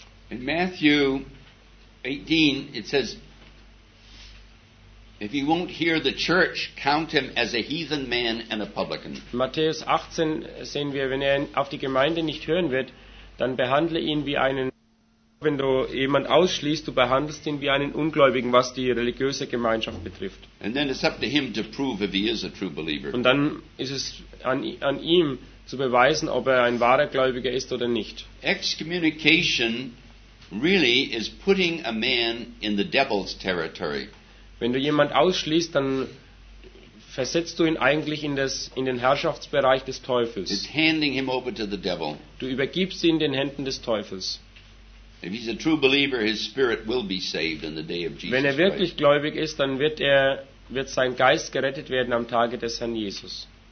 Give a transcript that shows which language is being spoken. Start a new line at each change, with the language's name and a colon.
English: In Matthew 18, it says, if he won't hear the church, count him as a heathen man and a publican.
German: Matthäus 18 sehen wir, wenn auf die Gemeinde nicht hören wird, dann behandle ihn wie einen, wenn du jemand ausschließt, du behandelst ihn wie einen Ungläubigen, was die religiöse Gemeinschaft betrifft.
English: And then it's up to him to prove if he is a true believer.
German: Und dann ist es an ihm zu beweisen, ob er ein wahrer Gläubiger ist oder nicht.
English: Excommunication really is putting a man in the devil's territory.
German: Wenn du jemand ausschließt, dann versetzt du ihn eigentlich in den Herrschaftsbereich des Teufels.
English: It's handing him over to the devil.
German: Du übergibst ihn den Händen des Teufels.
English: If he's a true believer, his spirit will be saved in the day of Jesus.
German: Wenn er wirklich gläubig ist, dann wird sein Geist gerettet werden am Tage des Herrn Jesus.